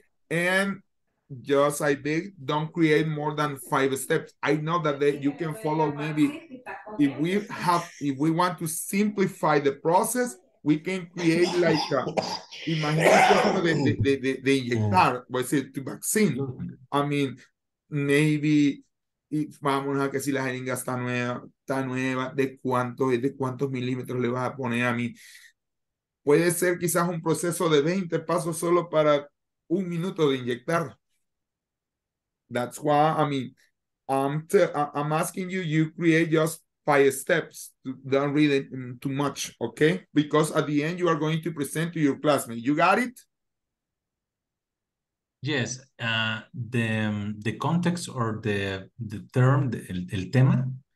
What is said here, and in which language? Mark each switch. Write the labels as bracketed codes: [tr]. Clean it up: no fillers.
[en] And just, I beg, don't create more than 5 steps. I know that you can follow maybe, if we want to simplify the process, we can create like, imagine the inyectar, what is it, to vaccine. I mean, maybe, if [es] vamos a que si la jeringa está nueva, de cuántos milímetros le vas a poner a mí. Puede ser quizás un proceso de 20 pasos solo para un minuto de inyectar. [en] That's why, I mean, I'm asking you, you create just 5 steps. Don't read it too much, okay? Because at the end, you are going to present to your classmate. You got it? Yes. The context or the term, [es] el tema,